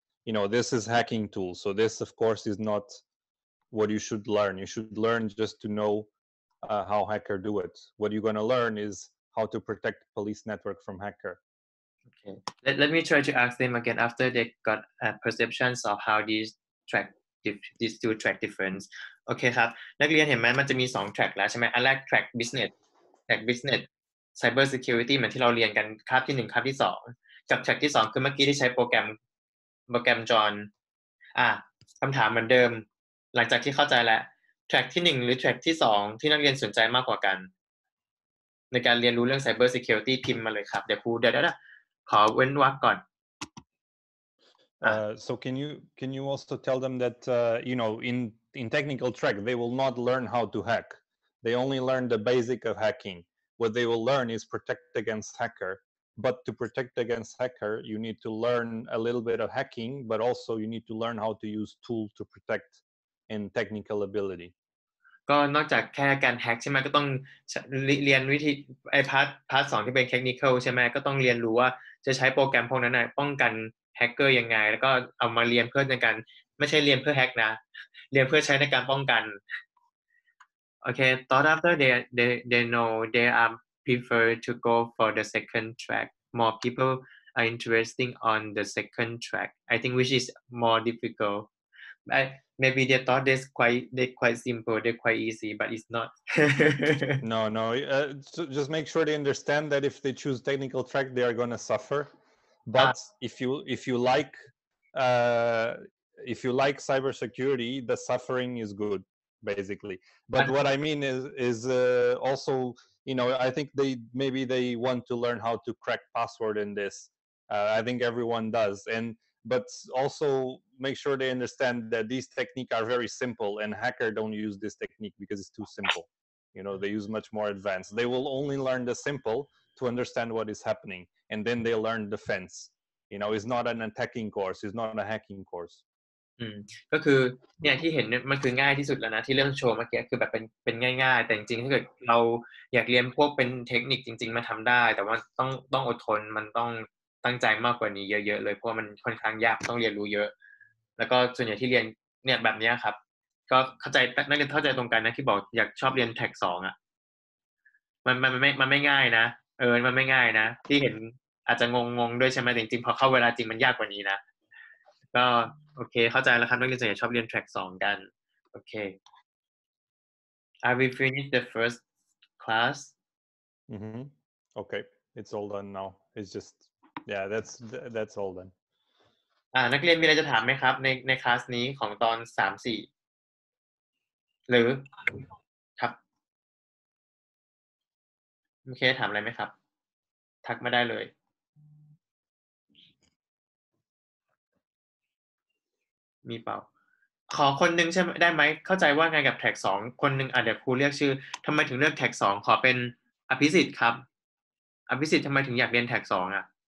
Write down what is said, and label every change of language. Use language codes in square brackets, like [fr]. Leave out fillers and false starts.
[en] You know, this is hacking tool. So, this of course is not what you should learn. You should learn just to know how hacker do it. What you're going to learn is. How to protect police network from hacker. Okay. Let me try to ask them again after they got perceptions of how these two track difference. [th] Okay, ครับ นักเรียนเห็นไหม มันจะมี 2 track แล้ว ใช่ไหม อันแรก track business, cyber security เหมือนที่เราเรียนกัน คาบที่ 1, คาบที่ 2. กับ track ที่ 2 คือเมื่อกี้ที่ใช้โปรแกรม John. คำถามเหมือนเดิม หลังจากที่เข้าใจแล้ว track ที่ 1 หรือ track ที่ 2 ที่นักเรียนสนใจมากกว่ากันในการเรียนรู้เรื่อง cyber security พิมพ์มาเลยครับเดี๋ยวครูเดี๋ยวขอเว้นวรรคก่อน [en] so can you also tell them that you know in technical track they will not learn how to hack they only learn the basic of hacking what they will learn is protect against hacker but to protect against hacker you need to learn a little bit of hacking but also you need to learn how to use tool to protect and technical ability [th] ก็นอกจากแค่การแฮ็กใช่ไหมก็ต้องเรียนวิธีไอพาร์ท2ที่เป็นเทคนิคอลใช่ไหมก็ต้องเรียนรู้ว่าจะใช้โปรแกรมพวกนั้นน่ะป้องกันแฮกเกอร์ยังไงแล้วก็เอามาเรียนเพื่อในการไม่ใช่เรียนเพื่อแฮกนะ เรียนเพื่อใช้ในการป้องกันโอเค [en] thought after they know they are prefer to go for the second track more people are interesting on the second track I think which is more difficult maybe they thought this quite simple they quite easy but it's not no so just make sure they understand that if they choose technical track they are going to suffer but if you like cybersecurity the suffering is good basically but what I mean is also you know I think they want to learn how to crack password in this I think everyone does and but also make sure they understand that these techniques are very simple and hacker don't use this technique because it's too simple you know they use much more advanced they will only learn the simple to understand what is happening and then they learn defense you know it's not a hacking course [th] ก็คือเนี่ยที่เห็นมันคือง่ายที่สุดแล้วนะที่เรื่องโชว์เมื่อกี้คือแบบเป็นง่ายๆแต่จริงๆถ้าเกิดเราอยากเรียนพวกเป็นเทคนิคจริงๆมาทำได้แต่ว่าต้องอดทนมันต้องตั้งใจมากกว่านี้เยอะๆเลยเพราะมันค่อนข้างยากต้องเรียนรู้เยอะแล้วก็ส่วนใหญ่ที่เรียนเนี่ยแบบนี้ครับก็เข้าใจนักเรียนเข้าใจตรงกันนะที่บอกอยากชอบเรียนแท็ก2อ่ะ มันไม่ง่ายนะมันไม่ง่ายนะที่เห็นอาจจะงงด้วยใช่ไหมแต่จริงๆพอเข้าเวลาจริงมันยากกว่านี้นะก็โอเคเข้าใจแล้วครับนักเรียนส่วนใหญ่ชอบเรียนแทร็ก2กันโอเค [en] Are we finished the first class? Mm-hmm. Okay, it's all done now. It's just yeah, that's all done. [th] นักเรียนมีอะไรจะถามไหมครับในคลาสนี้ของตอน3 4หรือครับโอเคถามอะไรไหมครับทักมาได้เลยมีเปล่าขอคนนึงใช่ไหมได้ไหมเข้าใจว่างานกับแท็ก2คนนึงเดี๋ยวครูเรียกชื่อทำไมถึงเลือกแท็ก2ขอเป็นอภิสิทธิ์ครับอภิสิทธิ์ทำไมถึงอยากเรียนแท็ก2อ่ะ